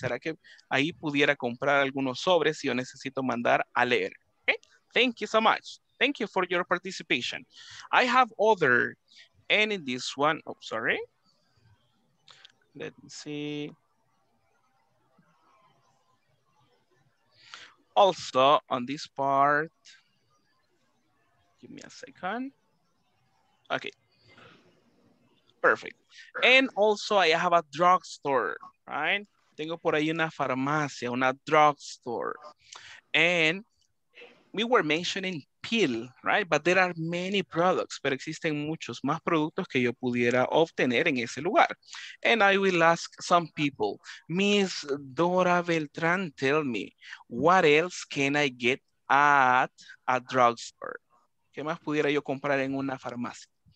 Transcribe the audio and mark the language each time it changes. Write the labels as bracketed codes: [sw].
[es] ¿Será que ahí pudiera comprar algunos sobres si yo necesito mandar a leer? [en] Okay? Thank you so much. Thank you for your participation. I have other. And in this one, Let me see. Also, on this part, give me a second. Okay. Perfect. And also, I have a drugstore, right? [es] Tengo por ahí una farmacia, una drugstore. [en] And we were mentioning pill, right? But there are many products, [es] pero existen muchos más productos que yo pudiera obtener en ese lugar. [en] And I will ask some people, Miss Dora Beltran, tell me, what else can I get at a drugstore? [es] ¿Qué más pudiera yo comprar en una farmacia?